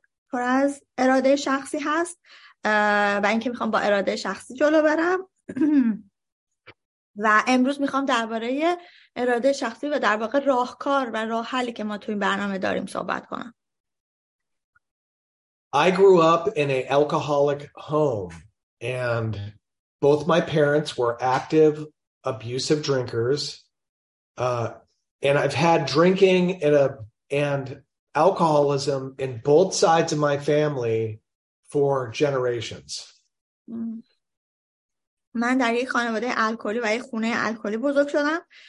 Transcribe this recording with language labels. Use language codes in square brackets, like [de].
[fa] پر از اراده شخصی هست و اینکه میخوام با اراده شخصی جلو برم و امروز میخوام درباره اراده شخصی و در واقع راهکار و راه حلی که ما توی برنامه داریم صحبت کنم. [en] I grew up in an alcoholic home, and both my parents were active, abusive drinkers, and I've had drinking and alcoholism in both sides of my family for generations. [fa] من در یک خانواده الکلی و یک خونه الکلی بزرگ شدم.